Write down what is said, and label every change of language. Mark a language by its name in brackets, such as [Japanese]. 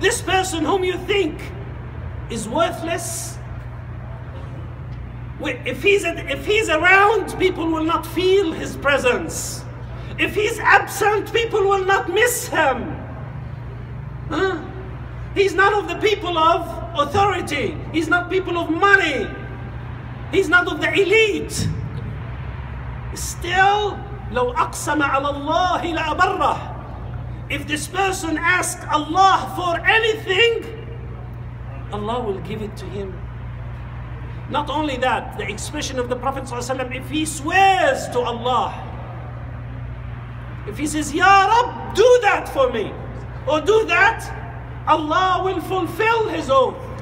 [English] This person whom you think is worthless, if he's around, people will not feel his presence. If he's absent, people will not miss him. He's not of the people of authority. He's not people of money. He's not of the elite. Still, [Arabic] لو أقسم على الله لأبره. [English] If this person asks Allah for anything, Allah will give it to him. Not only that, the expression of the Prophet ﷺ, if he swears to Allah, if he says, Ya Rab, do that for me, or do that, Allah will fulfill his oath.